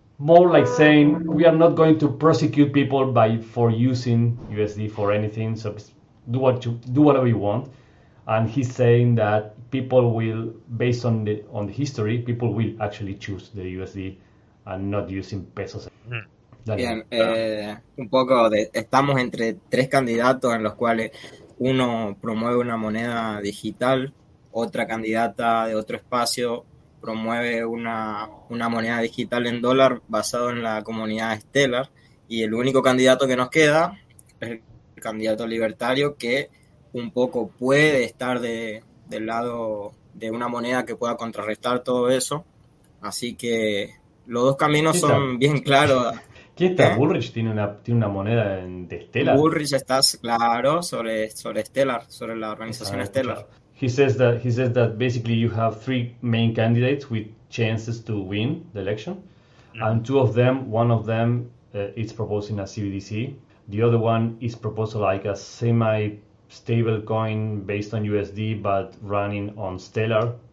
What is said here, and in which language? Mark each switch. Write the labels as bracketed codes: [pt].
[en] More like saying, we are not going to prosecute people for using USD for anything, so do whatever you want. And he's saying that people will, based on the history, people will actually choose the USD and not using pesos. Mm-hmm. [es] Bien, un poco de, estamos entre tres candidatos en los cuales uno promueve una moneda digital, otra candidata de otro espacio promueve una moneda digital en dólar basado en la comunidad Stellar, y el único candidato que nos queda es el candidato libertario, que un poco puede estar del lado de una moneda que pueda contrarrestar todo eso. Así que los dos caminos son bien claros. ¿Qué está? ¿Eh? Bullrich tiene una moneda de Stellar. Bullrich está, claro, sobre Stellar, sobre la organización Stellar. Claro. [en] He says that basically you have three main candidates with chances to win the election, and two of them, one of them is proposing a CBDC, the other one is proposing like a semi-stable coin based on USD but running on Stellar.